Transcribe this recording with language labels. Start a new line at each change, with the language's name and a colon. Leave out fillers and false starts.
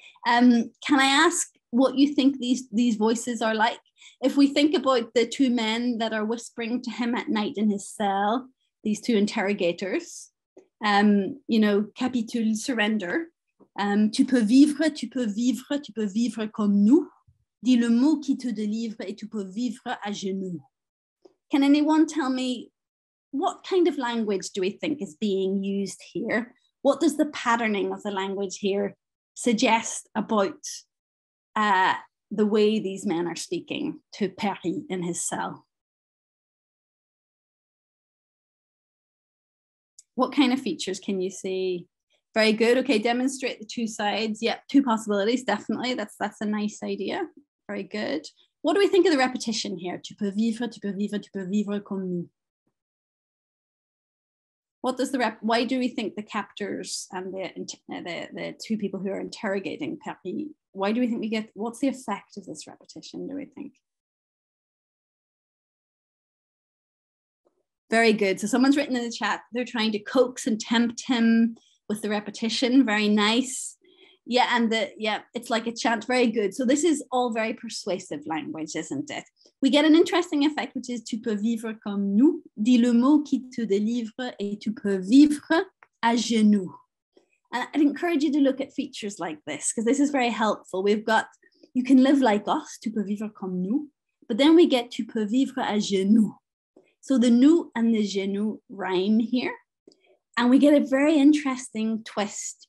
English: Can I ask what you think these voices are like? If we think about the two men that are whispering to him at night in his cell, these two interrogators, you know, capitule, surrender.
French: Tu peux vivre comme nous. Dis le mot qui te délivre et tu peux vivre à genoux.
English: Can anyone tell me what kind of language do we think is being used here? What does the patterning of the language here suggest about the way these men are speaking to Perry in his cell? What kind of features can you see? Very good. Okay, demonstrate the two sides. Yep, two possibilities, definitely. That's a nice idea. Very good. What do we think of the repetition here?
French: Tu peux vivre, tu peux vivre, tu peux vivre comme nous.
English: What does the rep, why do we think the captors and the two people who are interrogating Perry, why do we think we get, what's the effect of this repetition, do we think? Very good. So someone's written in the chat, they're trying to coax and tempt him with the repetition. Very nice. Yeah, and the, yeah, it's like a chant. Very good. So this is all very persuasive language, isn't it? We get an interesting effect, which is
French: tu peux vivre comme nous. Dis le mot qui te délivre et tu peux vivre à genoux.
English: And I'd encourage you to look at features like this, because this is very helpful. We've got, you can live like us,
French: tu peux vivre comme nous.
English: But then we get
French: tu peux vivre à genoux.
English: So the nous and the genoux rhyme here. And we get a very interesting twist.